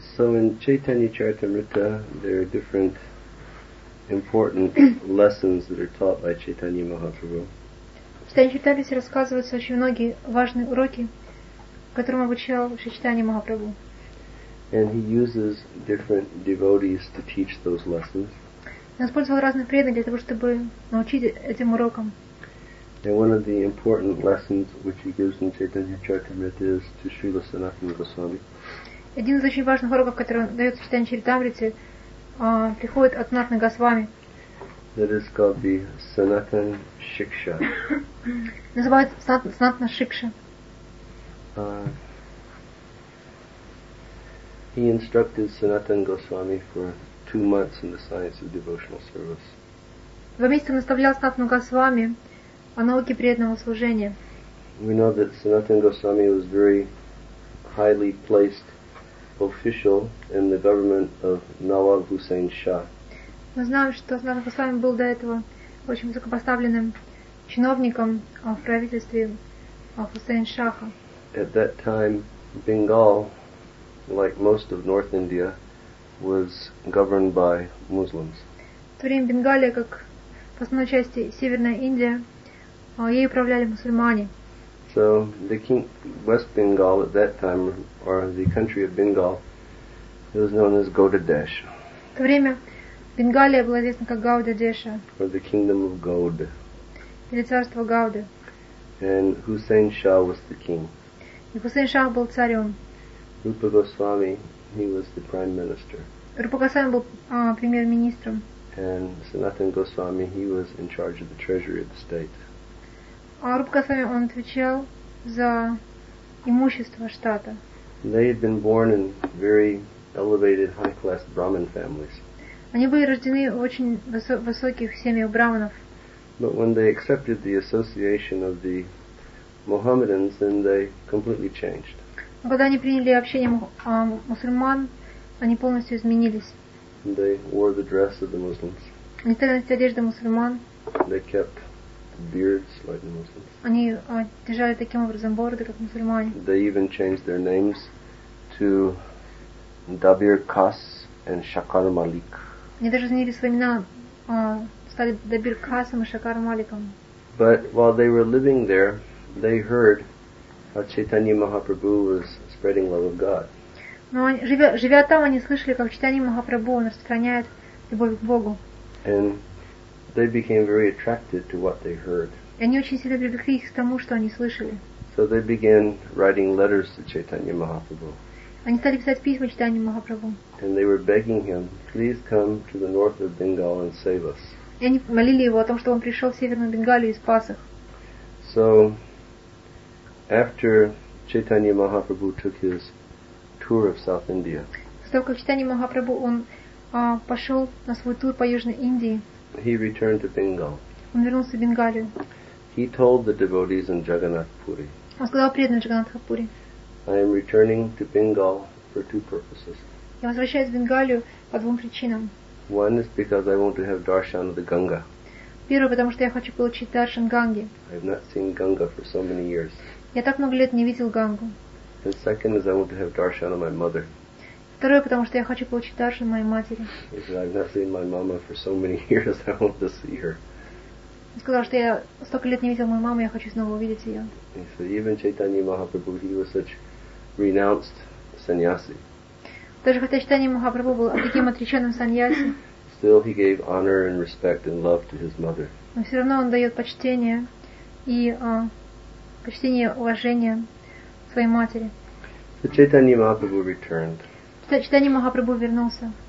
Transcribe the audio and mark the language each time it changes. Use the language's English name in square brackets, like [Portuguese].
[English] So in Chaitanya Charitamrita, there are different important lessons that are taught by Chaitanya Mahaprabhu. [Russian] В Чайтанье Чаритамрите рассказываются очень многие важные уроки, которым обучал Шри Чайтанья Махапрабху. [English] And he uses different devotees to teach those lessons. [Russian] Он использовал разных преданных для того, чтобы научить этим урокам. [English] And one of the important lessons which he gives in Chaitanya Charitamrita is to Srila Sanatana Goswami. [Russian] Один из очень важных уроков, который он дает в Чайтанье Чаритамрите, приходит от Санатана Госвами. [English] That is called the Sanatan Shiksha. [Russian] Называют Санатана Шикша. [English] He instructed Sanatana Goswami for 2 months in the science of devotional service. [Russian] 2 месяца наставлял Санатану Госвами о науке преданного служения. [English] We know that Sanatana Goswami was very highly placed official in the government of Nawab Hussain Shah. [Russian] Мы знаем, что Санатана Госвами был до этого очень высокопоставленным чиновником в правительстве Хусейн Шаха. [English] At that time, Bengal, like most of North India, was governed by Muslims. [Russian] В то время Бенгалия, как в основной части Северная Индия, ей управляли мусульмане. [English] So the king, West Bengal at that time, or the country of Bengal, it was known as Gaudadesh. [Russian] В то время Бенгалия была известна как Гаудадеша. [English] Or the kingdom of Gaud. [Russian] Или царство Гауды. [English] And Hussein Shah was the king. [Russian] И Хусейн Шах был царем. [English] Rupa Goswami, he was the prime minister. [Russian] Rupa Goswami был премьер-министром. [English] And Sanatana Goswami, he was in charge of the treasury of the state. [Russian] Rupa Goswami, он отвечал за имущество штата. [English] They had been born in very elevated, high-class Brahmin families. [Russian] Они были рождены в очень высоких семьях брахманов. [English] But when they accepted the association of the Mohammedans, then they completely changed. [Russian] Когда они приняли общение мусульман, они полностью изменились. [English] They wore the dress of the Muslims. [Russian] Они стали носить одежду мусульман. [English] They kept beards like the Muslims. [Russian] Они держали таким образом бороды, как мусульмане. [English] They even changed their names to Dabir Qas and Shakar Malik. [Russian] Они даже изменили свои имена, стали Дабир Касом и Шакар Маликом. [English] But while they were living there, they heard how Chaitanya Mahaprabhu was spreading love of God. [Russian] Но живя там, они слышали, как Чайтанья Махапрабху он распространяет любовь к Богу. [English] And they became very attracted to what they heard. [Russian] И они очень сильно привлеклись к тому, что они слышали. [English] So they began writing letters to Chaitanya Mahaprabhu. [Russian] Они стали писать письма Чайтанье Махапрабху. [English] And they were begging him, please come to the north of Bengal and save us. [Russian] И они молили его о том, что он пришел в Северную Бенгалию и спас их. [English] So, after Chaitanya Mahaprabhu took his tour of South India, [Russian] после того, как Чайтанья Махапрабху он пошел на свой тур по Южной Индии, [English] he returned to Bengal. [Russian] Он вернулся в Бенгалию. [English] He told the devotees in Jagannath Puri. [Russian] Он сказал преданным Джаганнатха Пури. [English] I am returning to Bengal for 2 purposes. [Russian] Я возвращаюсь в Бенгалию по 2 причинам. [English] One is because I want to have darshan of the Ganga. [Russian] Первое, потому что я хочу получить даршан Ганги. [English] I have not seen Ganga for so many years. [Russian] Я так много лет не видел Гангу. [English] And second is I want to have darshan of my mother. [Russian] Второе, потому что я хочу получить даршан моей матери. [English] I have not seen my mama for so many years. I want to see her. [Russian] Он сказал, что я столько лет не видел мою маму, я хочу снова увидеть ее. [English] He said, even Chaitanya Mahaprabhu, he was such renounced sannyasi. [Russian] Даже хотя Чайтанья Махапрабху был таким отреченным саньяси, [English] still he gave honor and respect and love to his mother. [Russian] Но все равно он дает почтение и почтение и уважение своей матери. [English] So Chaitanya Mahaprabhu returned. [Russian] Чайтанья Махапрабху вернулся.